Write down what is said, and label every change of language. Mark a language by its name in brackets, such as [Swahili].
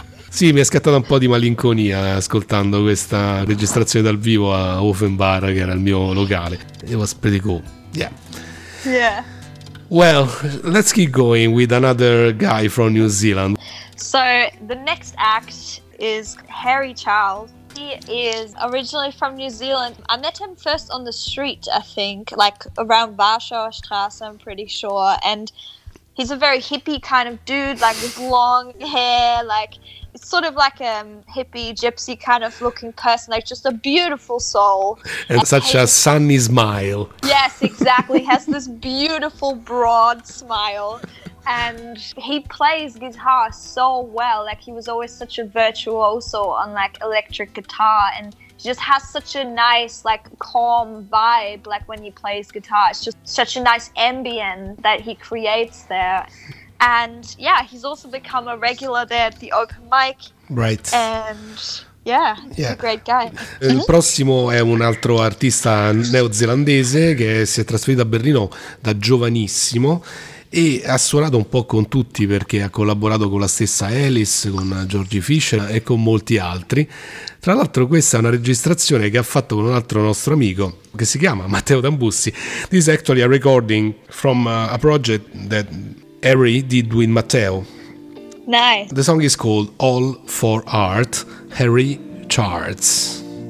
[Italian] Sì, mi è scattata un po' di malinconia ascoltando questa registrazione dal vivo a Offenbar, che era il mio locale. [English] It was pretty cool. Yeah. Yeah. Well, let's keep going with another guy from New Zealand. So, the next act is Harry Charles. He is originally from New Zealand. I met him first on the street, I think, like around Warschauer Straße, I'm pretty sure. And he's a very hippie kind of dude, like with long hair, like sort of like a hippie, gypsy kind of looking person, like just a beautiful soul. And such a sunny smile. Yes, exactly. He has this beautiful, broad smile. And he plays guitar so well. Like, he was always such a virtuoso on, like, electric guitar. And he just has such a nice, like, calm vibe, like, when he plays guitar. It's just such a nice ambient that he creates there. And, yeah, he's also become a regular there at the open mic. Right. And... Yeah, yeah, he's a great guy. [Italian] Il prossimo è un altro artista neozelandese che si è trasferito a Berlino da giovanissimo e ha suonato un po' con tutti, perché ha collaborato con la stessa Ellis, con Georgie Fisher e con molti altri. Tra l'altro, questa è una registrazione che ha fatto con un altro nostro amico che si chiama Matteo Dambussi. [English] This is actually a recording from a project that Harry did with Matteo. Nice. The song is called All for Art, Harry Charles.